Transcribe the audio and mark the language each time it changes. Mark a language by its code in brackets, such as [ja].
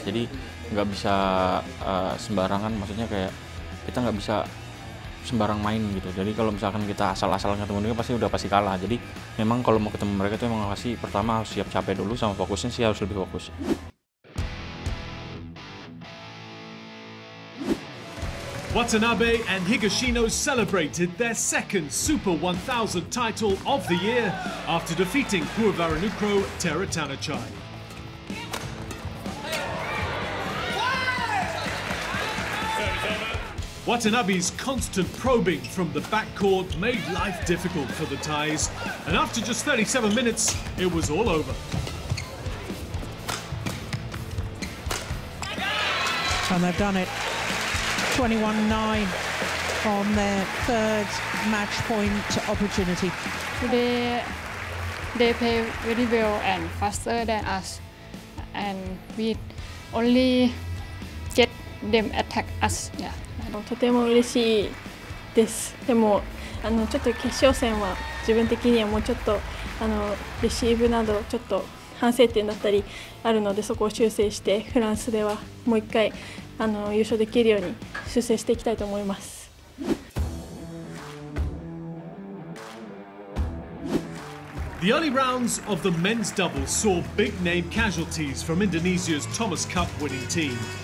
[id] Jadi nggak bisa sembarangan, maksudnya kayak kita nggak bisa sembarang main gitu. Jadi kalau misalkan kita asal-asalan ketemu mereka pasti udah pasti kalah. Jadi memang kalau mau ketemu mereka itu memang pasti pertama harus siap capek dulu sama fokusnya sih harus lebih fokus. [en] Watanabe and Higashino celebrated their second Super 1000 title of the year after defeating Puavaranukro Teratanachai. Watanabe's constant probing from the backcourt made life difficult for the Thais, and after just 37 minutes, it was all over. And they've done it. 21-9 on their third match point opportunity. They play very well and faster than us, and we only get them attack us. Yeah. [ja] とても嬉しいです。でもちょっと決勝戦は自分的にはもうちょっとレシーブなどちょっと反省点だったりあるので、そこを修正してフランスではもう一回。優勝できるように修正していきたいと思います。 [en] The early rounds of the men's doubles saw big name casualties from Indonesia's Thomas Cup winning team.